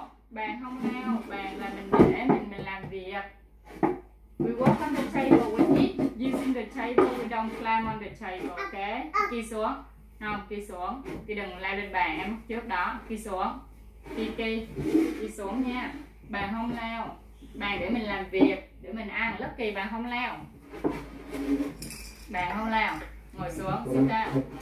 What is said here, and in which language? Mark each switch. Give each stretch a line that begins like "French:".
Vietnamese: Bàn không heo, bàn là mình để mình làm việc.
English: We walk on the table, we eat using the table, we don't climb on the table, okay?
Vietnamese: Khi xuống, không, khi xuống, khi đừng leo lên bàn em trước đó, khi xuống, khi xuống nha. Bàn không leo, bàn để mình làm việc, để mình ăn, lớp kỳ bàn không leo. Bàn không leo, ngồi xuống,
English: sit down.